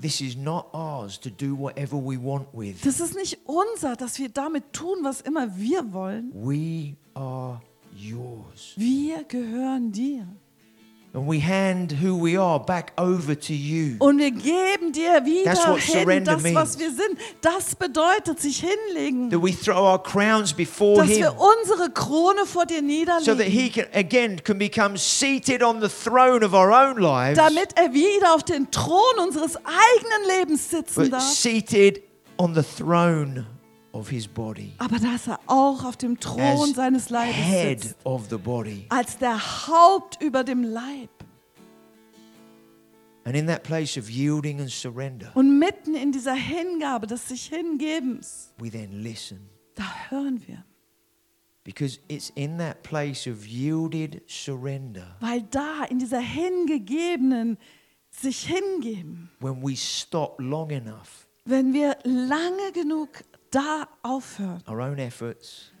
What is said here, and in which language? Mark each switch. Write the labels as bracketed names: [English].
[English] This is not ours to do whatever we want with. [German] Das ist nicht unser, dass wir damit tun, was immer wir wollen. [English] We are yours. [German] Wir gehören dir. [English] And we hand who we are back over to you. [German] Und wir geben dir wieder hin das, was wir sind. Das bedeutet, sich hinlegen. [English] That we throw our crowns before him. [German] Dass wir unsere Krone vor dir niederlegen. [English] So that he can, again can become seated on the throne of our own lives. [German] Damit er wieder auf den Thron unseres eigenen Lebens sitzen darf. [English] Seated on the throne of his body. [German] Aber dass er auch auf dem Thron [English] as [German] seines Leibes [English] head [German] sitzt, [English] of the body. [German] Als der Haupt über dem Leib. [English] And in that place of yielding and surrender, [German] und mitten in dieser Hingabe des sich Hingebens, [English] we then listen. [German] Da hören wir. [English] Because it's in that place of yielded surrender, [German] weil da in dieser hingegebenen sich Hingeben, [English] when we stop long enough, [German] wenn wir lange genug da aufhört, [English] our own efforts,